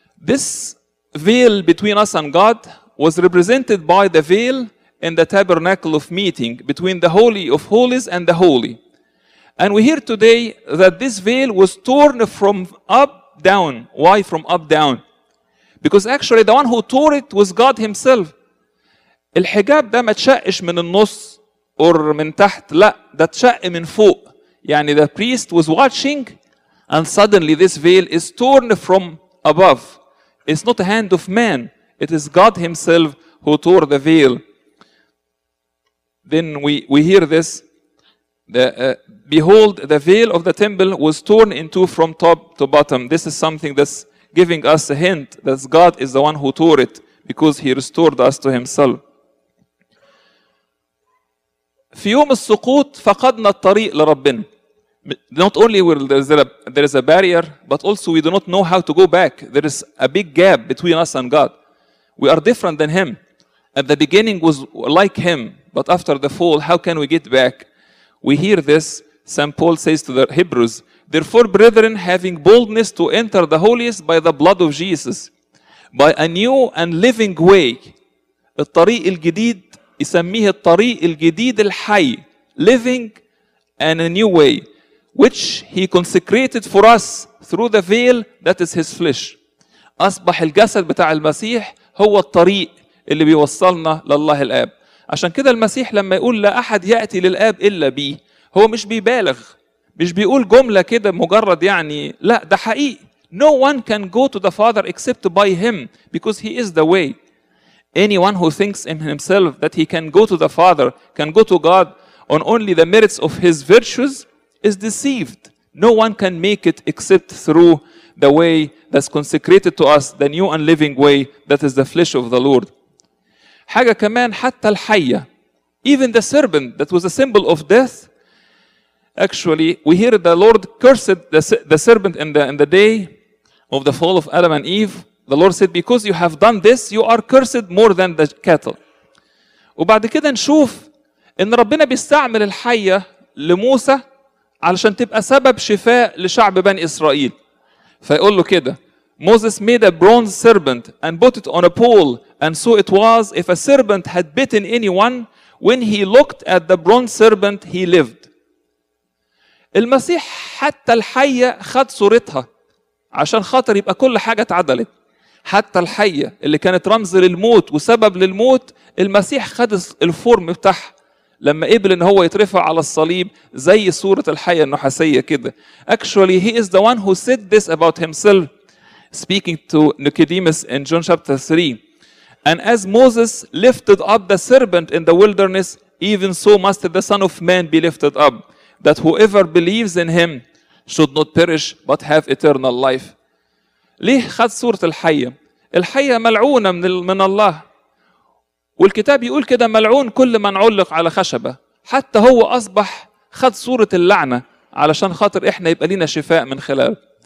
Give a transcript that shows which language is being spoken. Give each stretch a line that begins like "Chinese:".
English: This veil between us and God was represented by the veil in the tabernacle of meeting between the Holy of Holies and the Holy. And we hear today that this veil was torn from up down. Why from up down? Because actually the one who tore it was God himself.
Arabic: الحجاب ده ما تشقش من النص أو من تحت, لا ده تشق من فوق.
English: يعني the priest was watching and suddenly this veil is torn from above. It's not a hand of man. It is God himself who tore the veil. Then we hear this. Behold, the veil of the temple was torn in two from top to bottom. This is something that's giving us a hint that God is the one who tore it because he restored us to himself.
Arabic: في يوم السقوط فقدنا الطريق لربنا.
English: Not only will there is a barrier, but also we do not know how to go back. There is a big gap between us and God. We are different than him. At the beginning was like him, but after the fall, how can we get back? We hear this, St. Paul says to the Hebrews, therefore, brethren, having boldness to enter the holiest by the blood of Jesus, by a new and living way,
Arabic: الطريق الجديد يسميه الطريق الجديد الحي,
English: living and a new way, which he consecrated for us through the veil that is his flesh.
Arabic: أصبح الجسد بتاع المسيح هو الطريق اللي بيوصلنا لله الآب. عشان كده المسيح لما يقول لا أحد يأتي للآب إلا بي, هو مش بيبالغ, مش بيقول جملة كده مجرد يعني, لا ده حقيقي.
English: No one can go to the Father except by him, because he is the way. Anyone who thinks in himself that he can go to the Father, can go to God on only the merits of his virtues, is deceived. No one can make it except through the way that's consecrated to us, the new and living way that is the flesh of the Lord.
Arabic: حاجة كمان, حتى الحية,
English: even the serpent that was a symbol of death, actually we hear the Lord cursed the serpent in the day of the fall of Adam and Eve. The Lord said, because you have done this, you are cursed more than the cattle.
Arabic: وبعد كده نشوف ان ربنا بيستعمل الحية لموسى علشان تبقى سبب شفاء لشعب بني إسرائيل. فيقول له كده,
English: Moses made a bronze serpent and put it on a pole, and so it was, if a serpent had bitten anyone, when he looked at the bronze serpent, he lived.
Arabic: المسيح حتى الحية خد صورتها عشان خاطر يبقى كل حاجة اتعدلت. حتى الحية اللي كانت رمز للموت وسبب للموت, المسيح خد الفورم بتاعها لما قبل ان هو يترفع على الصليب زي صورة الحية النحاسية كده.
English: Actually, he is the one who said this about himself, speaking to Nicodemus in John chapter 3. And as Moses lifted up the serpent in the wilderness, even so must the Son of Man be lifted up, that whoever believes in him should not perish, but have eternal life.
Arabic: ليه خد صورة الحية؟ الحية ملعونة من الله. والكتاب يقول كده, ملعون كل من علق على خشبة. حتى هو أصبح خد صورة اللعنة علشان خاطر إحنا يبقى لنا شفاء من خلاله.